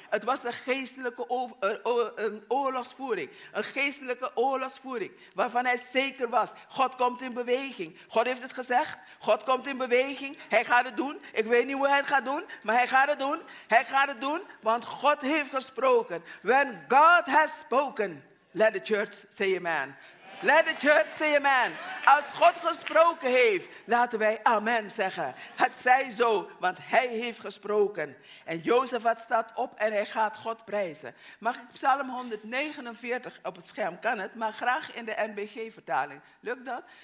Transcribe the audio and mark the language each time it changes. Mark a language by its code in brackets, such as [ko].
[nl] Het was een geestelijke oorlogsvoering. Een geestelijke oorlogsvoering waarvan hij zeker was. God komt in beweging. God heeft het gezegd. God komt in beweging. Hij gaat het doen. Ik weet niet hoe hij het gaat doen, maar hij gaat het doen. Hij gaat het doen, want God heeft gesproken. [en] When God has spoken, let the church say amen. Let the church say amen. [nl] Als God gesproken heeft, laten wij amen zeggen. Het zij zo, want hij heeft gesproken. En Jozefat staat op en hij gaat God prijzen. Mag ik Psalm 149 op het scherm? Kan het, maar graag in de NBG-vertaling. Lukt dat?